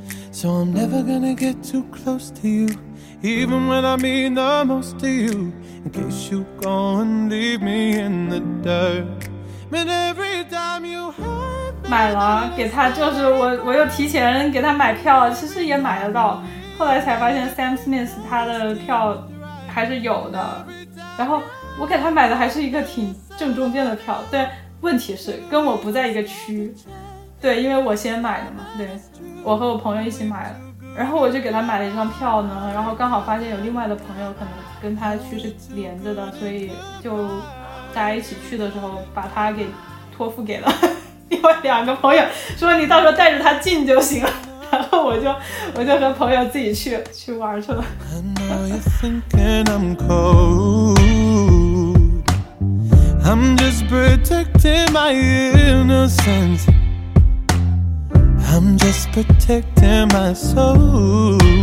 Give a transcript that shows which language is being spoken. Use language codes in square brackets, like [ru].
[en] So I'm never gonna get too close to you, even when I mean the most to you, in case you go and leave me in the dark. But every time you have [zh] 买了给他，就是我又提前给他买票，其实也买得到，后来才发现 Sam Smith 他的票还是有的，然后我给他买的还是一个挺正中间的票，但问题是跟我不在一个区，对，因为我先买的嘛，对，我和我朋友一起买了，然后我就给他买了一张票呢，然后刚好发现有另外的朋友可能跟他的区是连着的，所以就大家一起去的时候把他给托付给了另外两个朋友，说你到时候带着他进就行了，然后我就和朋友自己去玩去了。 [en] I'm just protecting my innocence. I'm just protecting my soul.